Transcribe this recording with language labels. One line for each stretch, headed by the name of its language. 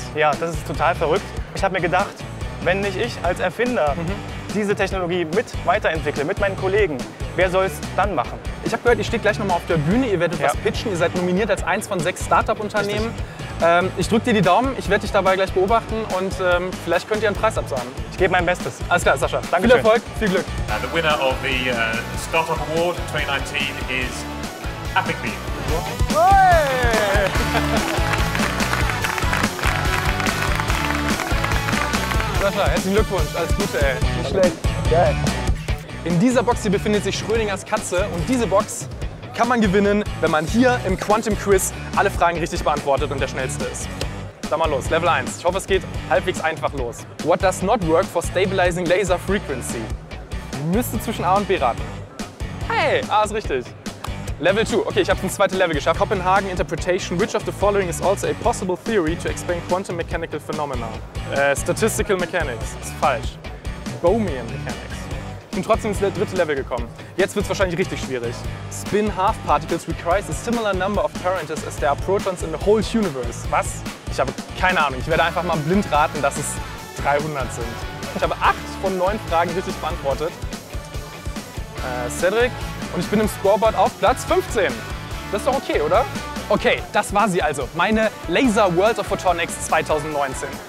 German: Ja, das ist total verrückt. Ich habe mir gedacht, wenn nicht ich als Erfinder diese Technologie mit weiterentwickle, mit meinen Kollegen, wer soll es dann machen? Ich habe gehört, ihr steht gleich nochmal auf der Bühne, ihr werdet was pitchen, ihr seid nominiert als eins von 6 Startup-Unternehmen. Ich drücke dir die Daumen, ich werde dich dabei gleich beobachten und vielleicht könnt ihr einen Preis absagen. Ich gebe mein Bestes. Alles klar, Sascha. Danke. Viel Erfolg, viel Glück.
English: The winner of the Startup Award 2019 is Epic Beam. Hey!
German: Sascha, herzlichen Glückwunsch, alles Gute, ey. Nicht schlecht. Geil. In dieser Box hier befindet sich Schrödingers Katze und diese Box kann man gewinnen, wenn man hier im Quantum Quiz alle Fragen richtig beantwortet und der Schnellste ist. Sag mal los, Level 1. Ich hoffe, es geht halbwegs einfach los.
English: What does not work for stabilizing laser frequency?
German: Müsste zwischen A und B raten. Hey, A ist richtig. Level 2. Okay, ich habe ins zweite Level geschafft.
English: Copenhagen Interpretation. Which of the following is also a possible theory to explain quantum mechanical phenomena?
German: Statistical Mechanics. Ist falsch. Bohmian Mechanics. Ich bin trotzdem ins dritte Level gekommen. Jetzt wird es wahrscheinlich richtig schwierig.
English: Spin half particles requires a similar number of parameters as there are protons in the whole universe.
German: Was? Ich habe keine Ahnung. Ich werde einfach mal blind raten, dass es 300 sind. Ich habe 8 von 9 Fragen richtig beantwortet. Cedric. Und ich bin im Scoreboard auf Platz 15. Das ist doch okay, oder? Okay, das war sie also. Meine Laser World of Photonics 2019.